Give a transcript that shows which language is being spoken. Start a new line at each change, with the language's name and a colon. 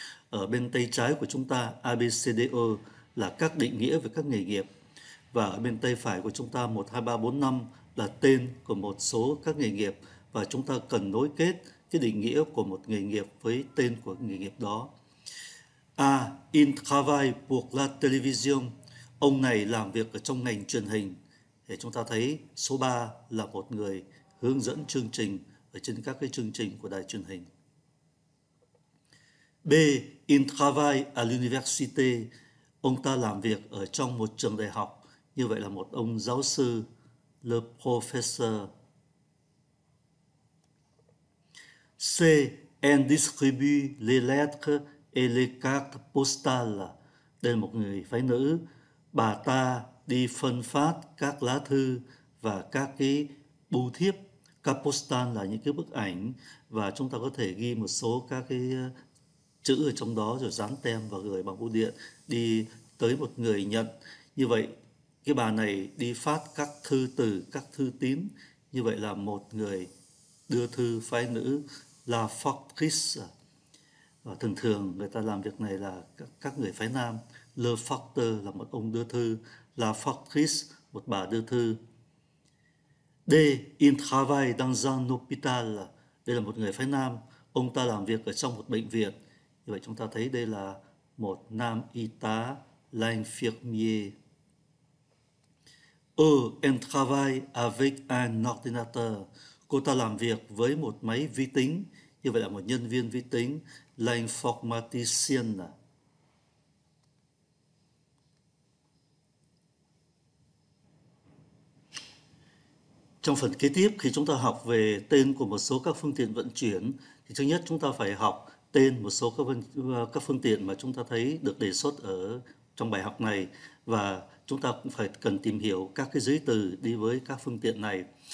Vietnamese: Ở bên tay trái của chúng ta, ABCDE là các định nghĩa về các nghề nghiệp. Và ở bên tay phải của chúng ta, 1, 2, 3, 4, 5 là tên của một số các nghề nghiệp. Và chúng ta cần nối kết cái định nghĩa của một nghề nghiệp với tên của nghề nghiệp đó. A.
French: Il travaille pour la télévision.
Vietnamese: Ông này làm việc ở trong ngành truyền hình. Để chúng ta thấy số 3 là một người hướng dẫn chương trình ở trên các cái chương trình của đài truyền hình. B.
French: Il travaille à l'université.
Vietnamese: Ông ta làm việc ở trong một trường đại học. Như vậy là một ông giáo sư,
French: le professeur.
Vietnamese: C.
French: Elle distribue les lettres et les cartes postales.
Vietnamese: Đây là một người phái nữ. Bà ta đi phân phát các lá thư và các cái bưu thiếp. Các postal là những cái bức ảnh và chúng ta có thể ghi một số các cái chữ ở trong đó rồi dán tem và gửi bằng bưu điện đi tới một người nhận. Như vậy, cái bà này đi phát các thư từ, các thư tín. Như vậy là một người đưa thư phái nữ là factrice. Và thường thường người ta làm việc này là các người phái nam.
French: Le facteur
Vietnamese: là một ông đưa thư, là factrice, một bà đưa thư. D.
French: Il travaille dans un hôpital.
Vietnamese: Đây là một người phái nam. Ông ta làm việc ở trong một bệnh viện. Như vậy chúng ta thấy đây là một nam y tá, l'infirmier. E.
French: Il travaille avec un ordinateur.
Vietnamese: Cô ta làm việc với một máy vi tính, như vậy là một nhân viên vi tính, l'informaticien. Trong phần kế tiếp, khi chúng ta học về tên của một số các phương tiện vận chuyển, thì trước nhất chúng ta phải học tên một số các phương tiện mà chúng ta thấy được đề xuất ở trong bài học này, và chúng ta cũng phải cần tìm hiểu các cái giấy từ đi với các phương tiện này.